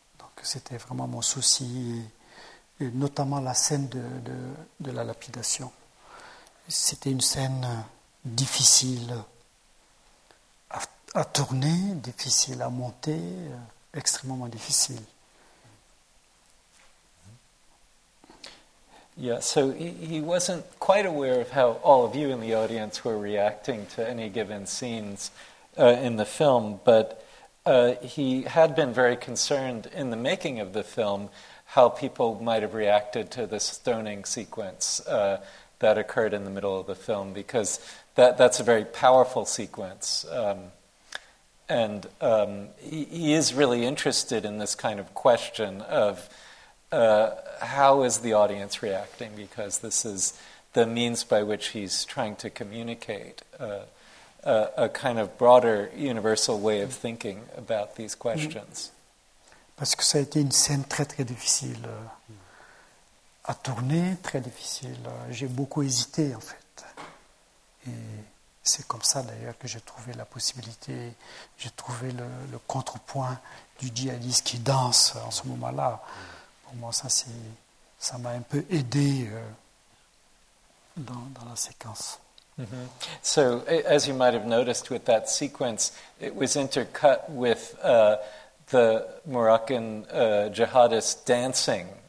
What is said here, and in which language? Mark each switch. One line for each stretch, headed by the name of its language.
French: Donc c'était vraiment mon souci, et notamment la scène de la lapidation. C'était une scène difficile à tourner, difficile à monter, extrêmement difficile.
English: Yeah, so he wasn't quite aware of how all of you in the audience were reacting to any given scenes in the film, but he had been very concerned in the making of the film how people might have reacted to the stoning sequence that occurred in the middle of the film, because that's a very powerful sequence. He is really interested in this kind of question of how is the audience reacting, because this is the means by which he's trying to communicate a kind of broader universal way of thinking about these questions.
French: Parce que ça a été une scène très très difficile. à tourner, très difficile. J'ai beaucoup hésité, en fait. Et c'est comme ça, d'ailleurs, que j'ai trouvé la possibilité, j'ai trouvé le contrepoint du djihadiste qui danse en ce moment-là. Pour moi, ça m'a un peu aidé dans la séquence. Mm-hmm.
English: So, as you might have noticed with that sequence, it was intercut with the Moroccan jihadist dancing.